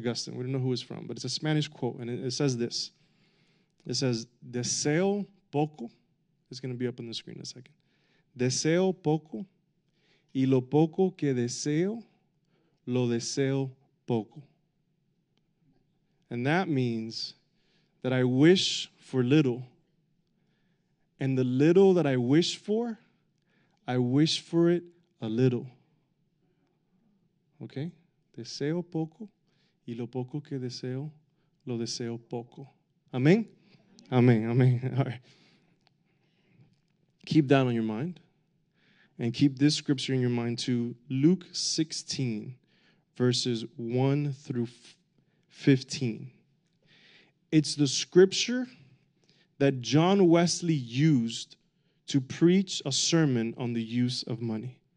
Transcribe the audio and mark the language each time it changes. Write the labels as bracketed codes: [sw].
[en] Augustine. We don't know who it's from, but it's a Spanish quote. And it says this. It says, [es] deseo poco. [en] It's going to be up on the screen in a second. [es] Deseo poco. Y lo poco que deseo, lo deseo poco. [en] And that means that I wish for little, and the little that I wish for, I wish for it a little. Okay? [es] Deseo poco, y lo poco que deseo, lo deseo poco. [en] Amen? Amen, amen. All right. Keep that on your mind, and keep this scripture in your mind too. Luke 16. Verses 1 through 15. It's the scripture that John Wesley used to preach a sermon on the use of money.